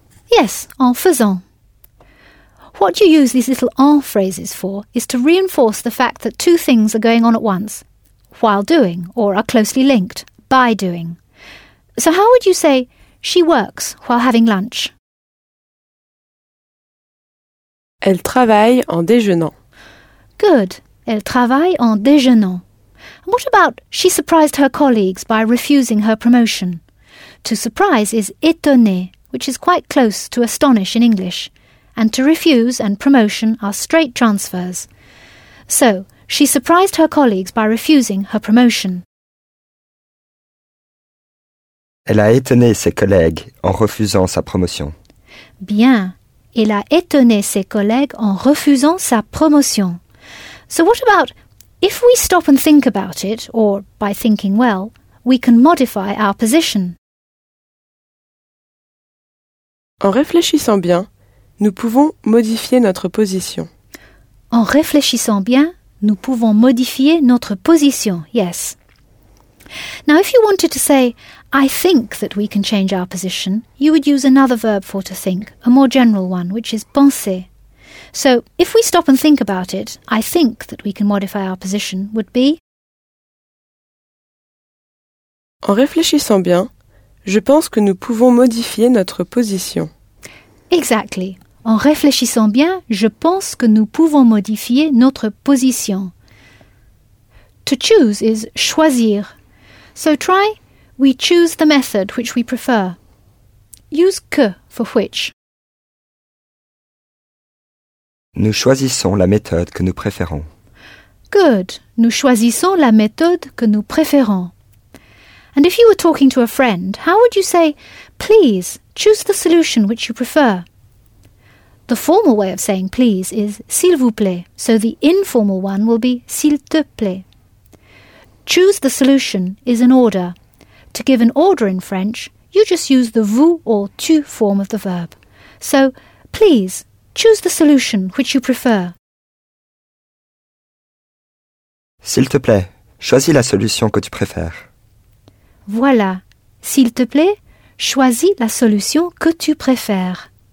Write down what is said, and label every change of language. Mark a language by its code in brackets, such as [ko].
[fr] Yes, en faisant. [en] What you use these little en phrases for is to reinforce the fact that two things are going on at once, while doing, or are closely linked, by doing. So how would you say, she works while having lunch? [fr] Elle travaille en déjeunant. [en] Good. [fr] Elle travaille en déjeunant. [en] And what about she surprised her colleagues by refusing her promotion? To surprise is étonner, which is quite close to astonish in English. And to refuse and promotion are straight transfers. So, she surprised her colleagues by refusing her promotion. [fr] Elle a étonné ses collègues en refusant sa promotion. Bien. Elle a étonné ses collègues en refusant sa promotion. [en] So what about, if we stop and think about it, or by thinking well, we can modify our position? [fr] En réfléchissant bien, nous pouvons modifier notre position. En réfléchissant bien, nous pouvons modifier notre position, yes. [en] Now if you wanted to say, I think that we can change our position, you would use another verb for to think, a more general one, which is penser. So, if we stop and think about it, I think that we can modify our position would be... [fr] En réfléchissant bien, je pense que nous pouvons modifier notre position. [en] Exactly. [fr] En réfléchissant bien, je pense que nous pouvons modifier notre position. [en] To choose is choisir. So try, we choose the method which we prefer. Use que for which. [fr] Nous choisissons la méthode que nous préférons. [en] Good. [fr] Nous choisissons la méthode que nous préférons. [en] And if you were talking to a friend, how would you say, please, choose the solution which you prefer? The formal way of saying please is s'il vous plaît, so the informal one will be s'il te plaît. Choose the solution is an order. To give an order in French, you just use the vous or tu form of the verb. So, please, choose the solution which you prefer. [fr] S'il te plaît, choisis la solution que tu préfères. Voilà. S'il te plaît, choisis la solution que tu préfères.